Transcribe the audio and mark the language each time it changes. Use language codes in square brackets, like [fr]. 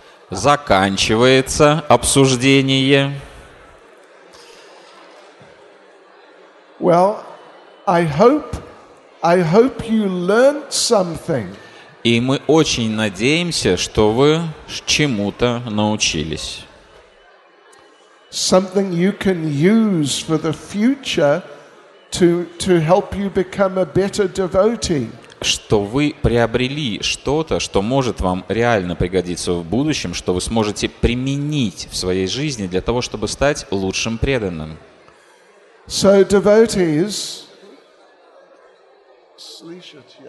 [ru] Заканчивается обсуждение. [en] Well, I hope you learned something. [ru] И мы очень надеемся, что вы чему-то научились. [en] Something you can use for the future to help you become a better devotee. [ru] Что вы приобрели что-то, что может вам реально пригодиться в будущем, что вы сможете применить в своей жизни для того, чтобы стать лучшим преданным. [en] So devotees, [ru] слышите,